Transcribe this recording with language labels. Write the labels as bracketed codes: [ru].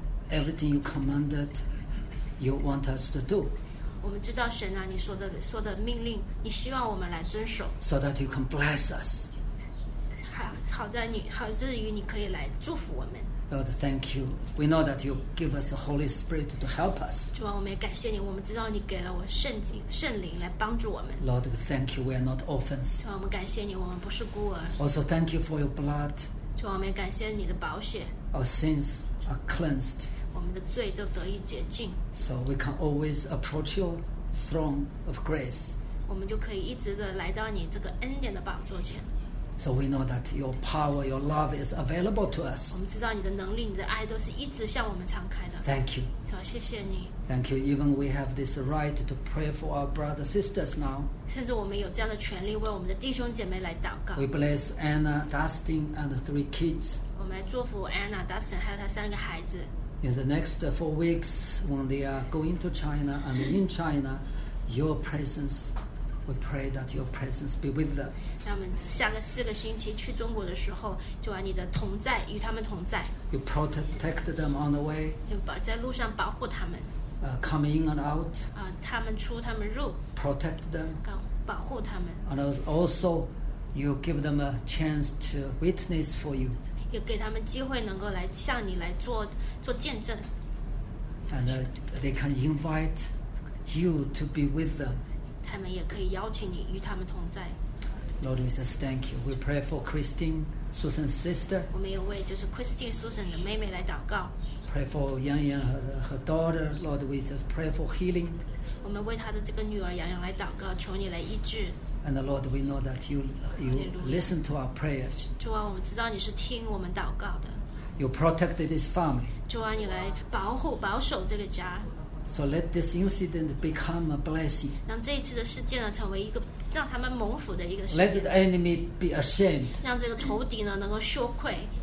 [en] Everything you commanded, you want us to do. [zh] 我们知道神啊，你说的命令，你希望我们来遵守。 [en] So that you can bless us. [zh] 好在于你可以来祝福我们。 [en] Lord, thank you. We know that you give us the Holy Spirit to help us. [zh] 主啊，我们也感谢你，我们知道你给了我圣灵来帮助我们。 [en] Lord, we thank you. We are not orphans. [zh] 主啊，我们感谢你，我们不是孤儿。 [en] Also, thank you for your blood. [zh] 主啊，我们也感谢你的宝血。 [en] Our sins are cleansed. [zh] 我们的罪就得以洁净。 [en] So we can always approach your throne of grace. [zh] 我们就可以一直的来到你这个恩典的宝座前。 [en] So we know that your power, your love is available to us. [zh] 我们知道你的能力，你的爱都是一直向我们敞开的。 [en] Thank you. [zh] 好，谢谢你。 [en] Thank you. Even we have this right to pray for our brothers and sisters now. [zh] 甚至我们有这样的权利为我们的弟兄姐妹来祷告。 [en] We bless Anna, Dustin, and the three kids. [zh] 我们来祝福 Anna, Dustin 还有她三个孩子。 [en] In the next 4 weeks, when they are going to China and in China, your presence, we pray that your presence be with them. [zh] 那我们下个四个星期去中国的时候，就把你的同在与他们同在。 [en] You protect them on the way. [zh] 在路上保护他们。 [en] Come in and out. [zh] 他们出，他们入。 [en] Protect them. [zh] 保护他们。 [en] And also, you give them a chance to witness for you. [zh] 也给他们机会能够来向你来 做见证。 [en] And they can invite you to be with them. [zh] 他们也可以邀请你与他们同在。 [en] Lord, we just thank you. We pray for Christine, Susan's sister. [zh] 我们也为就是 Christine, Susan 的妹妹来祷告。 [en] Pray for Yang Yang, her daughter. Lord, we just pray for healing. [zh] 我们为她的这个女儿杨洋来祷告，求你来医治。 [en] And Lord, we know that you listen to our prayers. [zh] 主啊，我们知道你是听我们祷告的。 [en] You protect this family. [zh] 主啊，你来保护保守这个家。 [en] So let this incident become a blessing. [zh] 让这一次的事件呢，成为一个让他们蒙福的一个事。 [en] Let the enemy be ashamed. [zh] 让这个仇敌呢能够羞愧。